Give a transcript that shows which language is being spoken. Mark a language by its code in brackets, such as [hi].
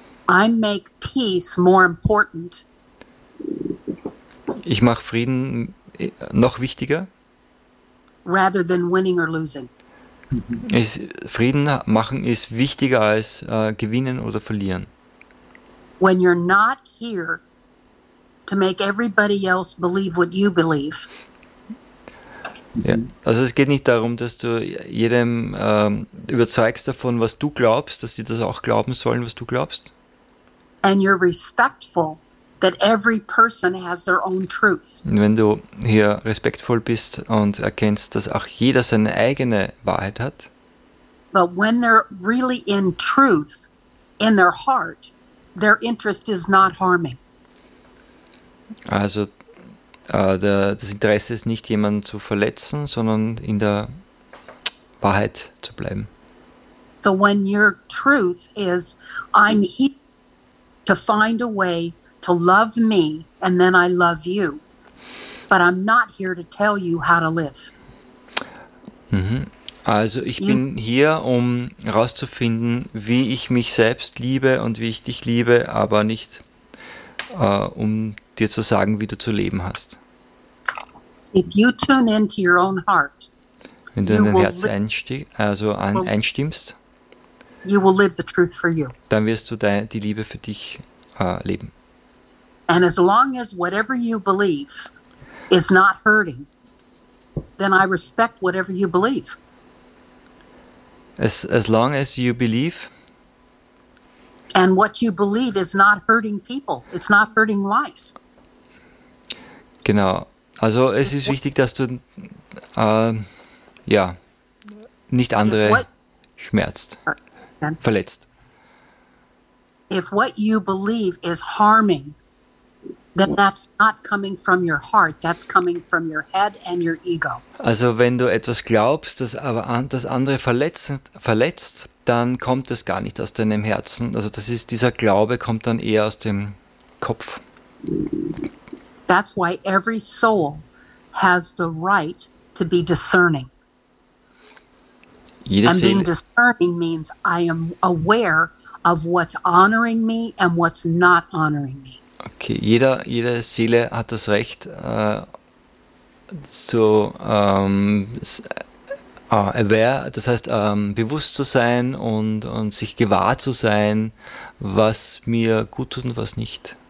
[en] I make peace more important. [de] Ich mache Frieden noch wichtiger. [en] Rather than winning or losing. [de] Frieden machen ist wichtiger als gewinnen oder verlieren. [en] When you're not here to make everybody else believe what you believe. [de] Ja, also es geht nicht darum, dass du jedem überzeugst davon, was du glaubst, dass die das auch glauben sollen, was du glaubst. [en] And you're respectful that every person has their own truth. [de] Wenn du hier respektvoll bist und erkennst, dass auch jeder seine eigene Wahrheit hat. [en] But when they're really in truth, in their heart, their interest is not harming. [de] Also das Interesse ist nicht, jemanden zu verletzen, sondern in der Wahrheit zu bleiben. [en] So when your truth is, I'm here to find a way to love me and then I love you. But I'm not here to tell you how to live. [de] Also ich bin hier, um herauszufinden, wie ich mich selbst liebe und wie ich dich liebe, aber nicht um dir zu sagen, wie du zu leben hast. [en] If you tune into your own heart, [de] wenn du in dein Herz einstimmst, [en] you will live the truth for you. [de] Dann wirst du die Liebe für dich leben. [en] And as long as whatever you believe is not hurting, then I respect whatever you believe. As long as you believe. And what you believe is not hurting people. It's not hurting life. [de] Genau. Also es ist wichtig, dass du nicht andere schmerzt, verletzt. [en] If what you believe is harming, then that's not coming from your heart, that's coming from your head and your ego. [de] Also wenn du etwas glaubst, das andere verletzt, dann kommt es gar nicht aus deinem Herzen. Also das ist, dieser Glaube kommt dann eher aus dem Kopf. [en] That's why every soul has the right to be discerning. [de] Jede [en] and [de] Seele. [en] Being discerning means I am aware of what's honoring me and what's not honoring me. [de] Okay, jede Seele hat das Recht, bewusst zu sein und sich gewahr zu sein, was mir gut tut und was nicht.